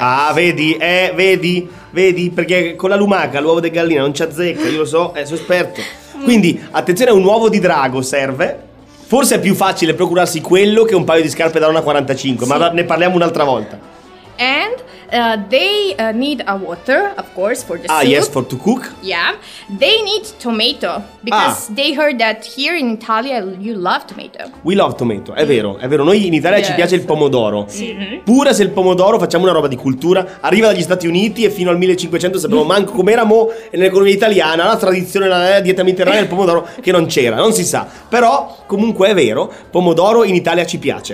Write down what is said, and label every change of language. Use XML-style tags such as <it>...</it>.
<it>Ah, vedi, vedi, vedi, perché con la lumaca, l'uovo di gallina, non c'azzecca, io lo so, sono esperto. Quindi, attenzione, un uovo di drago serve. Forse è più facile procurarsi quello che un paio di scarpe da una 45, sì. Ma ne parliamo un'altra volta.</it> <en>And they need a water, of course, for the soup. Ah, yes, for to cook. Yeah. They need tomato, because they heard that here in Italia you love tomato. We love tomato,</en> <it>è vero, è vero. Noi in Italia ci piace il pomodoro. Sì. Mm-hmm. Pure se il pomodoro, facciamo una roba di cultura, arriva dagli Stati Uniti e fino al 1500 sapevamo manco com'era mo nell'economia italiana, la tradizione, la dieta mediterranea, il pomodoro che non c'era, non si sa. Però, comunque è vero, pomodoro in Italia ci piace.</it>